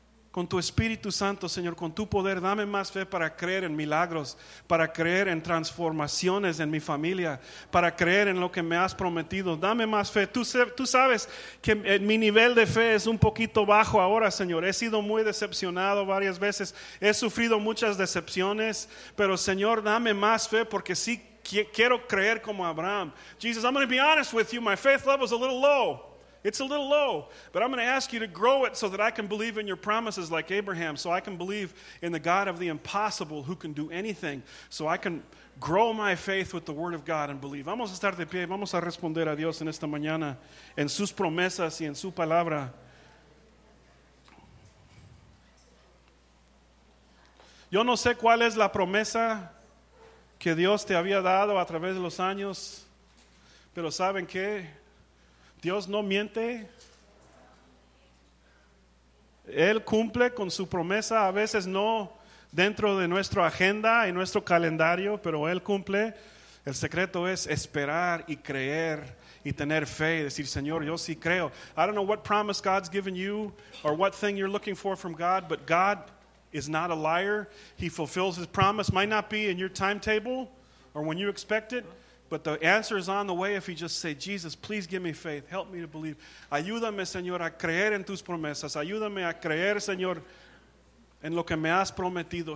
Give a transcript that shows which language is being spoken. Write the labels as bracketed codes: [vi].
[es] Con tu Espíritu Santo, Señor, con tu poder, dame más fe para creer en milagros, para creer en transformaciones en mi familia, para creer en lo que me has prometido. Dame más fe. Tú sabes que mi nivel de fe es un poquito bajo ahora, Señor. He sido muy decepcionado varias veces. He sufrido muchas decepciones, pero Señor, dame más fe porque sí quiero creer como Abraham. [en] Jesus, I'm going to be honest with you. My faith level is a little low. It's a little low, but I'm going to ask you to grow it so that I can believe in your promises like Abraham, so I can believe in the God of the impossible who can do anything, so I can grow my faith with the word of God and believe. [es] Vamos a estar de pie, vamos a responder a Dios en esta mañana, en sus promesas y en su palabra. Yo no sé cuál es la promesa que Dios te había dado a través de los años, pero ¿saben qué? Dios no miente. Él cumple con su promesa, a veces no dentro de nuestra agenda y nuestro calendario, pero Él cumple. El secreto es esperar y creer y tener fe y decir, Señor, yo sí creo. [en] I don't know what promise God's given you or what thing you're looking for from God, but God is not a liar. He fulfills His promise. Might not be in your timetable or when you expect it, but the answer is on the way if you just say, Jesus, please give me faith. Help me to believe. [es] Ayúdame, Señor, a creer en tus promesas. Ayúdame a creer, Señor, en lo que me has prometido.